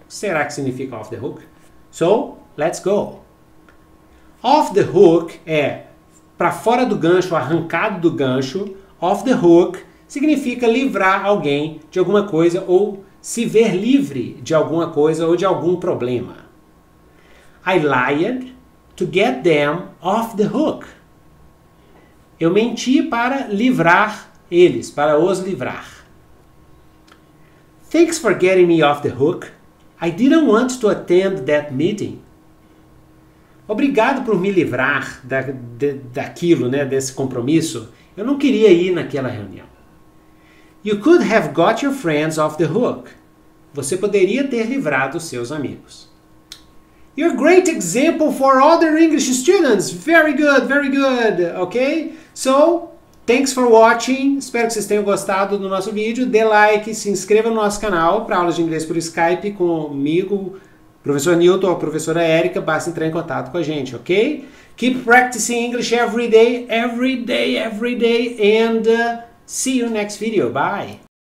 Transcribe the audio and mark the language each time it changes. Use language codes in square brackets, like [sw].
[pt] Será que significa off the hook? [en] So, let's go. [pt] Off the hook é para fora do gancho, arrancado do gancho. Off the hook significa livrar alguém de alguma coisa ou se ver livre de alguma coisa ou de algum problema. [en] I lied to get them off the hook. [pt] Eu menti para livrar eles, para os livrar. [en] Thanks for getting me off the hook. I didn't want to attend that meeting. [pt] Obrigado por me livrar daquilo, né, desse compromisso. Eu não queria ir naquela reunião. [en] You could have got your friends off the hook. [pt] Você poderia ter livrado seus amigos. [en] You're a great example for other English students. Very good, very good. Okay? So, thanks for watching. [pt] Espero que vocês tenham gostado do nosso vídeo. Dê like, se inscreva no nosso canal para aulas de inglês por Skype comigo, professor Newton ou professora Erika. Basta entrar em contato com a gente, ok? [en] Keep practicing English every day, every day, every day. And see you next video. Bye!